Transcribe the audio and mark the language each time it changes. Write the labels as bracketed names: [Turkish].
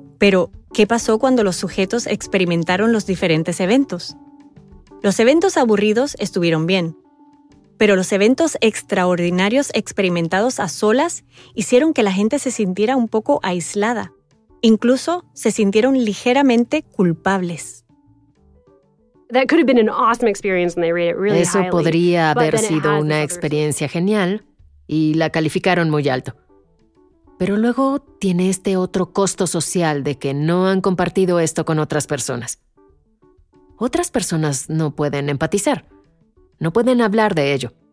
[Spanish] Pero, ¿qué pasó cuando los sujetos experimentaron los diferentes eventos? Los eventos aburridos estuvieron bien. Pero los eventos extraordinarios experimentados a solas hicieron que la gente se sintiera un poco aislada. Incluso se sintieron ligeramente culpables. [English] That could have been an awesome experience and they rate it really highly. [Spanish] Eso podría haber sido una experiencia genial y la calificaron muy alto. Pero luego tiene este otro costo social de que no han compartido esto con otras personas. Otras personas no pueden empatizar, no pueden hablar de ello.